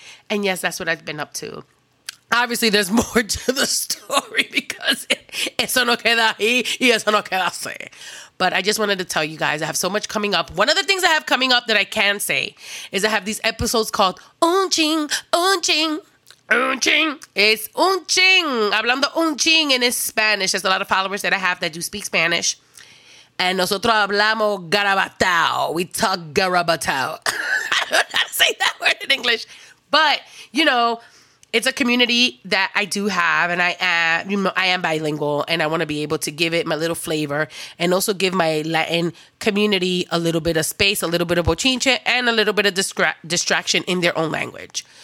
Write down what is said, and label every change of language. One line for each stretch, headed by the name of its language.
English: And yes, that's what I've been up to. Obviously, there's more to the story because
Spanish: eso no queda ahí y eso no queda así.
English: But I just wanted to tell you guys, I have so much coming up. One of the things I have coming up that I can say is I have these episodes called Un Ching, Un Ching, Un Ching. It's Un Ching. Hablando Un Ching, and it's Spanish. There's a lot of followers that I have that do speak Spanish.
Spanish: And nosotros hablamos garabatao.
English: We talk garabatao. I don't know how to say that word in English. But, you know, it's a community that I do have, and I am, you know, I am bilingual, and I want to be able to give it my little flavor and also give my Latin community a little bit of space, a little bit of bochinche, and a little bit of distraction in their own language.